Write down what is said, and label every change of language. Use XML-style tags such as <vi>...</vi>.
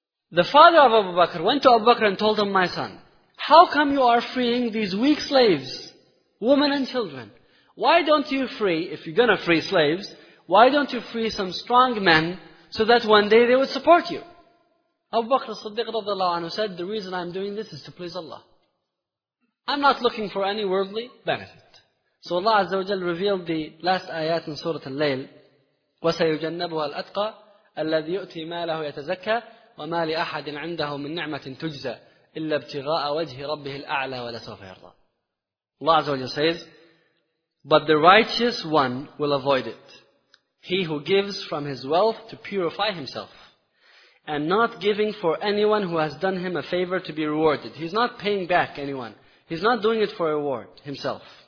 <en>The father of Abu Bakr went to Abu Bakr and told him, my son, how come you are freeing these weak slaves, women and children? Why don't you free, if you're going to free slaves, why don't you free some strong men so that one day they would support you? Abu Bakr as-Siddiq radiallahu anhu said, the reason I'm doing this is to please Allah. I'm not looking for any worldly benefit. So Allah Azza wa Jal revealed the last ayat in Surah Al-Layl,</en> <ar>وَسَيُجَنَّبُهَا الْأَتْقَى الَّذِي يُؤْتِي مَالَهُ يَتَزَكَّى وَمَا لِأَحَدٍ عِنْدَهُ مِنْ نِعْمَةٍ تُجْزَى إِلَّا ابْتِغَاءَ وَجْهِ رَبِّهِ الْأَعْلَى وَلَسَوْفَ يَرْضَى.</ar> <en>Allah Azza wa Jalla says, but the righteous one will avoid it. He who gives from his wealth to purify himself, and not giving for anyone who has done him a favor to be rewarded. He's not paying back anyone. He's not doing it for a reward himself.</en>